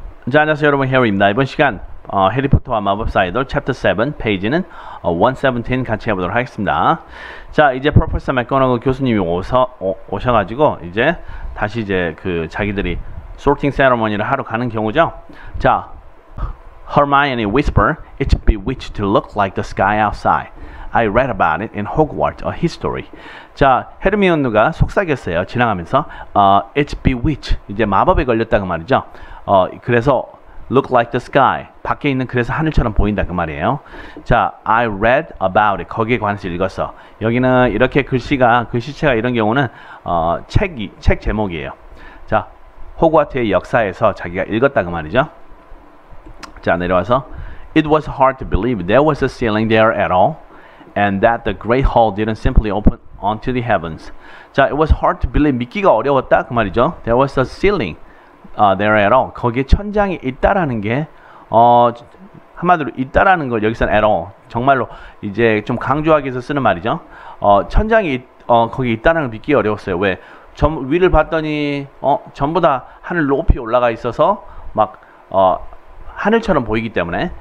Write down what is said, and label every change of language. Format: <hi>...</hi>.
<ko>자, 안녕하세요 여러분, 해리입니다. 이번 시간 해리포터와 마법사 아이돌 챕터 7 페이지는 117 같이 해보도록 하겠습니다. 자, 이제 프로페서 맥고나거 교수님이 오셔가지고 이제 다시 이제 그 자기들이 소팅 세러머니를 하러 가는 경우죠.</ko> <en>자, Hermione whisper, it's bewitched to look like the sky outside. I read about it in Hogwarts, a history.</en> <ko>자, 헤르미온누가 속삭였어요. 지나가면서 it's bewitched, 이제 마법에 걸렸다고 말이죠. 그래서 look like the sky, 밖에 있는 그래서 하늘처럼 보인다 그 말이에요. 자,</ko> <en>I read about it,</en> <ko>거기에 관해서 읽었어. 여기는 이렇게 글씨가, 글씨체가 이런 경우는 책 제목이에요. 자, 호그와트의 역사에서 자기가 읽었다 그 말이죠.</ko> <en>자, 내려와서 It was hard to believe there was a ceiling there at all and that the great hall didn't simply open onto the heavens. 자, it was hard to believe,</en> <ko>믿기가 어려웠다 그 말이죠.</ko> <en>There was a ceiling there at all.</en> <ko>거기에 천장이 있다라는 게 한마디로 있다라는 걸 여기서 at all 정말로 이제 좀 강조하기 위해서 쓰는 말이죠. 천장이 거기 있다라는 걸 믿기 어려웠어요. 왜? 위를 봤더니 전부 다 하늘 높이 올라가 있어서 막 하늘처럼 보이기 때문에.</ko>